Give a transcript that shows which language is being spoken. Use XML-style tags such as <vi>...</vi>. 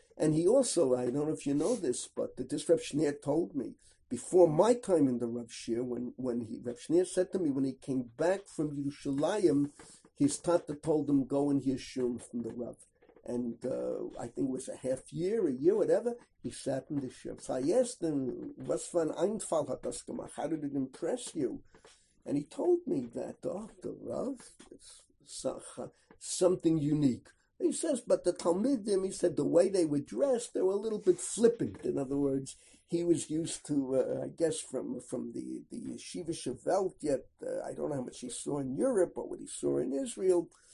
<en>And he also, I don't know if you know this, but this Reb Schneer told me, before my time in the Rav Shir, when Reb Schneer said to me, when he came back from Yerushalayim, his tata told him, go and hear shum from the Rav. And I think it was a half year, a year, whatever, he sat in the shir. So I asked him,</en> <yi>was für ein Einfall hat das gemacht?</yi> <en>How did it impress you? And he told me that, oh, the Rav is something unique. He says, but the Talmidim, he said, the way they were dressed, they were a little bit flippant. In other words, he was used to, I guess, from the yeshiva shevelt, yet I don't know how much he saw in Europe or what he saw in Israel.</en>